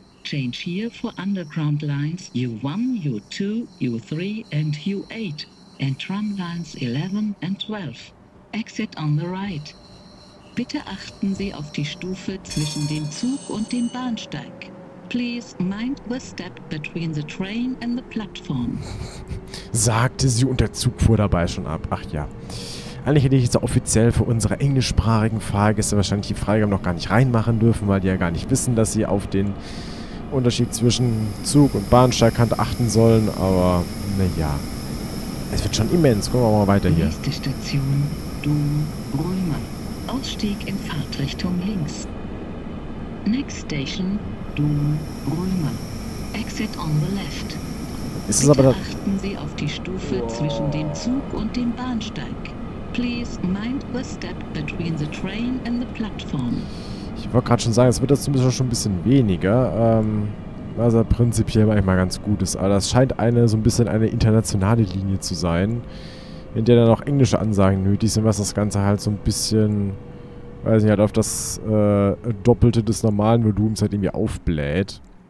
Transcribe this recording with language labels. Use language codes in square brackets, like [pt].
[en] Change here for underground lines U1, U2, U3 and U8 and tram lines 11 and 12. Exit on the right. [de] Bitte achten Sie auf die Stufe zwischen dem Zug und dem Bahnsteig. [en] Please mind the step between the train and the platform. [de] Sagte sie und der Zug fuhr dabei schon ab. Ach ja. Eigentlich hätte ich jetzt offiziell für unsere englischsprachigen Fahrgäste wahrscheinlich die Freigabe noch gar nicht reinmachen dürfen, weil die ja gar nicht wissen, dass sie auf den Unterschied zwischen Zug und Bahnsteigkante achten sollen, aber naja. Es wird schon immens. Gucken wir mal weiter hier. Nächste Station, Dom Römer. Ausstieg in Fahrtrichtung links. [en] Next Station, Dom Römer. Exit on the left. [de] Ist es aber da? Achten Sie auf die Stufe zwischen dem Zug und dem Bahnsteig. [en] Please mind the step between the train and the platform. [de] Ich wollte gerade schon sagen, es wird das zumindest schon ein bisschen weniger, was ja prinzipiell manchmal ganz gut ist. Aber das scheint eine so ein bisschen eine internationale Linie zu sein, in der dann auch englische Ansagen nötig sind, was das Ganze halt so ein bisschen, weiß nicht, halt auf das Doppelte des normalen Volumens halt irgendwie aufbläht.